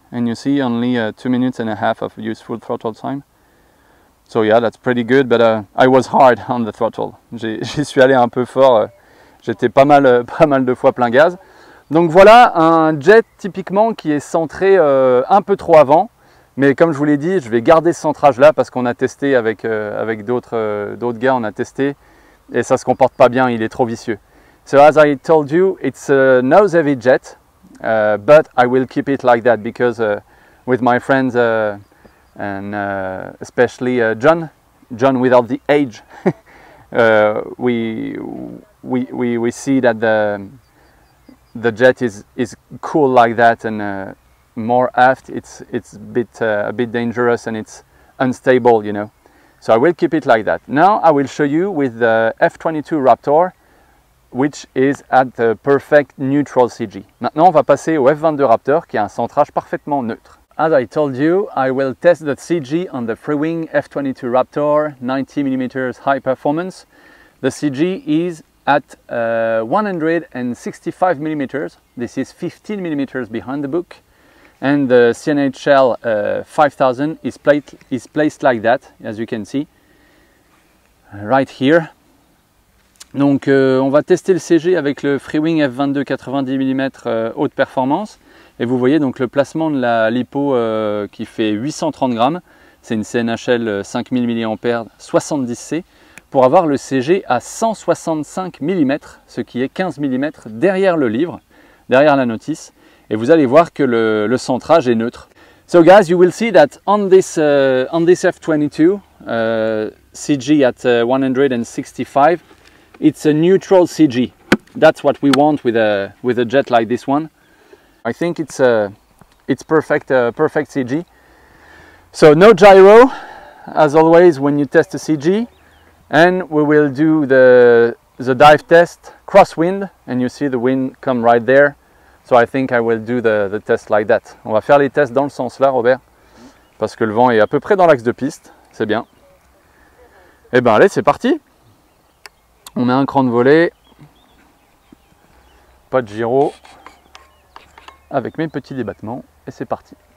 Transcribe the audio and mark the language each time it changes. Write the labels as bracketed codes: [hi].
[en] And you see only 2 minutes and a half of useful throttle time. So yeah, that's pretty good, but I was hard on the throttle. [fr] J'y suis allé un peu fort, j'étais pas mal de fois plein gaz. Donc voilà un jet typiquement qui est centré un peu trop avant. Mais comme je vous l'ai dit, je vais garder ce centrage là parce qu'on a testé avec d'autres gars, on a testé. Et ça se comporte pas bien, il est trop vicieux. [en] So as I told you, it's a nose heavy jet. But I will keep it like that because with my friends and especially John without the age, we see that the jet is cool like that, and more aft it's a bit dangerous and it's unstable, you know. So I will keep it like that. Now I will show you with the F-22 Raptor, which is at the perfect neutral CG. [fr] Maintenant, on va passer au F-22 Raptor, qui a un centrage parfaitement neutre. [en] As I told you, I will test the CG on the free-wing F-22 Raptor 90mm high performance. The CG is at 165mm. This is 15mm behind the book. And the CNHL 5000 is placed like that, as you can see, right here. [fr] Donc on va tester le CG avec le Freewing F22 90mm haute performance. Et vous voyez donc le placement de la lipo qui fait 830 grammes. C'est une CNHL 5000 mAh 70C pour avoir le CG à 165mm, ce qui est 15mm derrière le livre, derrière la notice. Et vous allez voir que le centrage est neutre. [en] So guys, you will see that on this F22 CG at 165, it's a neutral CG. That's what we want with a jet like this one. I think it's perfect CG. So no gyro, as always when you test a CG, and we will do the dive test crosswind, and you see the wind come right there. So I think I will do the test like that. [fr] On va faire les tests dans le sens là, Robert, parce que le vent est à peu près dans l'axe de piste. C'est bien. Eh ben allez, c'est parti. On met un cran de volet, pas de gyro, avec mes petits débattements, et c'est parti.